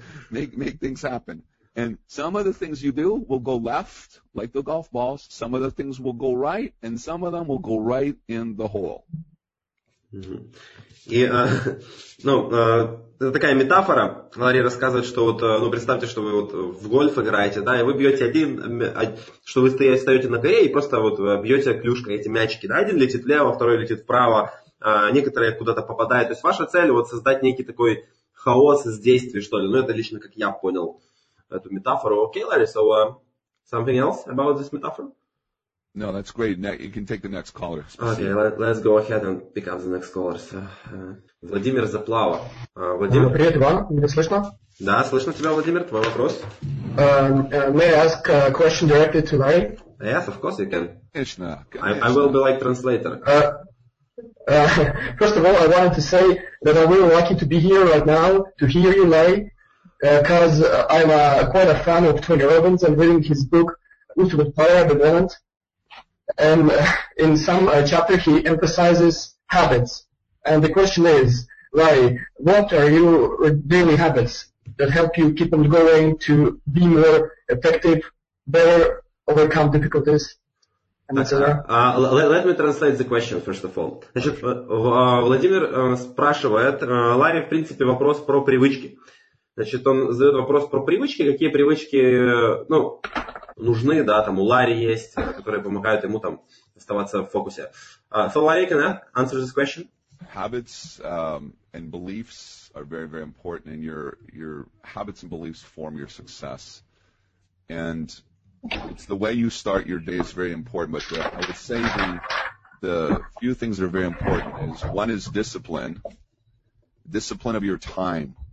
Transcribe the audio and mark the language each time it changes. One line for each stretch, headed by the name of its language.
English: Make things happen. And some of the things you do will go left, like the golf balls. Some of the things will go right, and some of them will go right in the hole.
Russian: И, ну, это такая метафора. Ларри рассказывает, что вот, ну, представьте, что вы вот в гольф играете, да, и вы бьете один, что вы стоите на горе и просто вот бьете клюшкой эти мячики, да, один летит влево, второй летит вправо, некоторые куда-то попадают. То есть ваша цель вот создать некий такой хаос из действий, что ли. Ну, это лично как я понял эту метафору. Окей, Ларри, so
English: Something else about this metaphor? No, that's great. Now you can take the next caller. Okay, let's go ahead and pick up the next caller.
Russian: Владимир Заплава. Владимир. Привет, Иван. Меня слышно? Да, слышно тебя, Владимир. Твой вопрос.
English: May I ask a question directly to Larry? Yes, of course you can.
Russian: Конечно.
English: I will be like translator. First of all, I wanted to say that I'm really lucky to be here right now to hear you, Larry, because I'm quite a fan of Tony Robbins and reading his book Ultimate Power at the moment. And in some chapter, he emphasizes habits. And the question is, Larry, what are your daily habits that help you keep on going to be more effective, better overcome difficulties? Let me translate the question, first of all.
Russian: Значит, Владимир спрашивает, Ларри, в принципе, вопрос про привычки. Значит, он задает вопрос про привычки, какие привычки, ну, нужны, да, там у Ларри есть, которые помогают ему там оставаться в фокусе.
English: So, Larry, can I answer this question? Habits and beliefs are very, very important, and your habits and beliefs form your success. And it's the way you start your day is very important, but I would say the few things that are very important is one is discipline of your time.